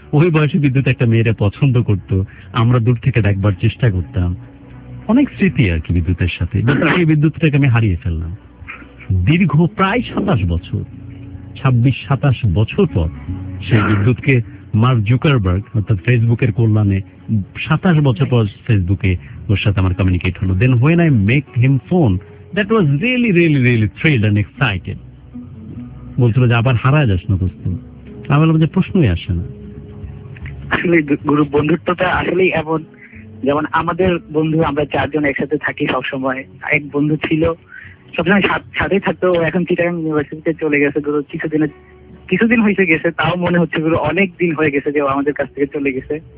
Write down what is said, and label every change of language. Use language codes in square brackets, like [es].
[bn] ওই বয়সে বিদ্যুৎ একটা মেয়েরে পছন্দ করত, আমরা দূর থেকে দেখবার চেষ্টা করতাম, অনেক স্মৃতি আর কি বিদ্যুতের সাথে। সেই বিদ্যুৎটাকে আমি হারিয়ে ফেললাম দীর্ঘ প্রায় 26-27 বছর পর। সেই বিদ্যুৎকে মার্ক জুকারবার্গ অর্থাৎ ফেসবুকের কল্যাণে 27 বছর পর ফেসবুকে ওর সাথে আমার কমিউনিকেট হলো। [en] Then when I make him phone, that was really really really thrilled and excited. [bn] বলছিল যে আবার হারায় যাস না দোস্ত, আমি বললাম যে প্রশ্নই আসে না। আসলে গুরু, বন্ধুত্বটা আসলেই এমন, যেমন আমাদের বন্ধু, আমরা চারজন একসাথে থাকি সবসময়, এক বন্ধু ছিল সবসময় সাথেই থাকতো, এখন চিটাগাং ইউনিভার্সিটিতে চলে গেছে গুরু, কিছুদিন হয়েছে গেছে, তাও মনে হচ্ছে গুরু অনেক দিন হয়ে গেছে যে আমাদের কাছ থেকে চলে গেছে।